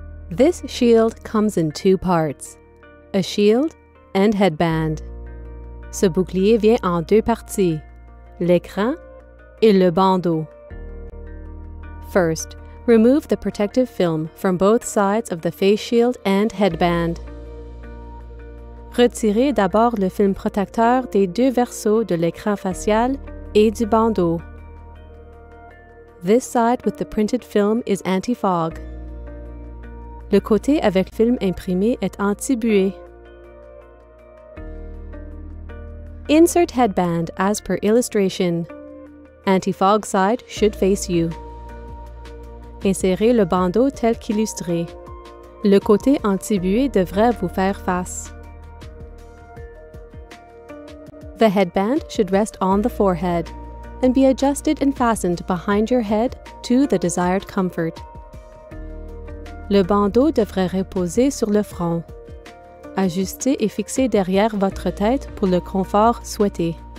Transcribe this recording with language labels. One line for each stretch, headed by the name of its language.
English: This shield comes in two parts, a shield and headband.
French: Ce bouclier vient en deux parties, l'écran et le bandeau.
English: First, remove the protective film from both sides of the face shield and headband.
French: Retirez d'abord le film protecteur des deux versos de l'écran facial et du bandeau.
English: This side with the printed film is anti-fog.
French: Le côté avec film imprimé est anti-buée.
English: Insert headband as per illustration. Anti-fog side should face you.
French: Insérez le bandeau tel qu'illustré. Le côté anti-buée devrait vous faire face.
English: The headband should rest on the forehead and be adjusted and fastened behind your head to the desired comfort.
French: Le bandeau devrait reposer sur le front. Ajustez et fixez derrière votre tête pour le confort souhaité.